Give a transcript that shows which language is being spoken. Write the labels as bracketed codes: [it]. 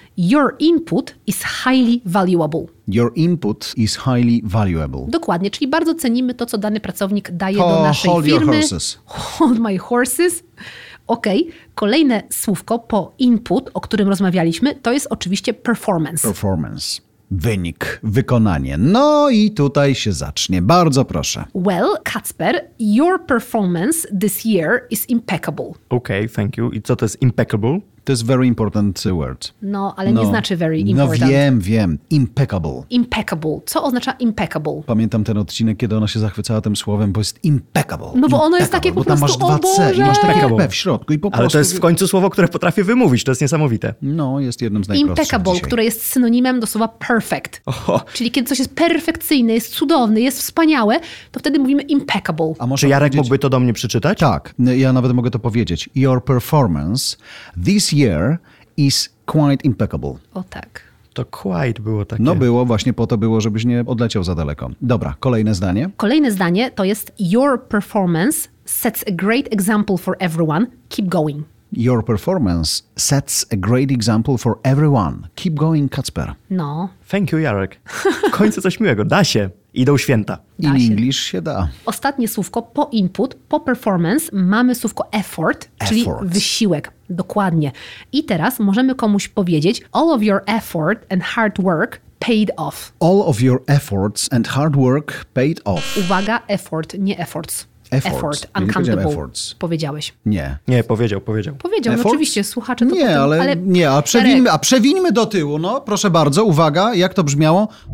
[en] Your input is highly valuable. Your input is highly valuable. [pl] Dokładnie, czyli bardzo cenimy to, co dany pracownik daje [en] call, [pl] do naszej [en] hold [pl] firmy. [en] Hold your horses. Hold my horses. Okej, okay. [pl] Kolejne słówko po input, o którym rozmawialiśmy, to jest oczywiście performance. Performance. Wynik, wykonanie. No i tutaj się zacznie. Bardzo proszę. [en] Well, Kacper, your performance this year is impeccable. Okay, thank you. [pl] I co to jest impeccable? To jest [en] very important word. [pl] No, ale no, nie znaczy very important. No wiem, wiem. Impeccable. Impeccable. Co oznacza impeccable? Pamiętam ten odcinek, kiedy ona się zachwycała tym słowem, bo jest impeccable. No bo [en] impeccable, [pl] ono jest takie po prostu, bo tam masz 2 C i masz takie P w środku i po prostu... Ale to jest w końcu słowo, które potrafię wymówić. To jest niesamowite. No, jest jednym z najprostszych [en] impeccable, [pl] dzisiaj. Które jest synonimem do słowa perfect. Oho. Czyli kiedy coś jest perfekcyjne, jest cudowne, jest wspaniałe, to wtedy mówimy impeccable. A może czy Jarek powiedzieć... mógłby to do mnie przeczytać? Tak. Ja nawet mogę to powiedzieć. [en] Your performance, this year is quite impeccable. [pl] O tak. To quite było takie. No było, właśnie po to było, żebyś nie odleciał za daleko. Dobra, kolejne zdanie. Kolejne zdanie to jest [en] your performance sets a great example for everyone. Keep going. Your performance sets a great example for everyone. Keep going, Kacper. [pl] No. [en] Thank you, [pl] Jarek. W końcu coś miłego. Da się. Idą święta. Da in się. English się da. Ostatnie słówko po input, po performance mamy słówko effort, czyli wysiłek. Dokładnie. I teraz możemy komuś powiedzieć [en] all of your effort and hard work paid off. All of your efforts and hard work paid off. [pl] Uwaga, effort, nie efforts. [en] Effort. Effort, uncomfortable. [pl] Nie efforts. Powiedziałeś. Nie. Nie, powiedział, powiedział. Powiedział, no oczywiście, słuchacze to nie, potem, ale... Nie, ale przewińmy, a przewińmy do tyłu, no, proszę bardzo, uwaga, jak to brzmiało?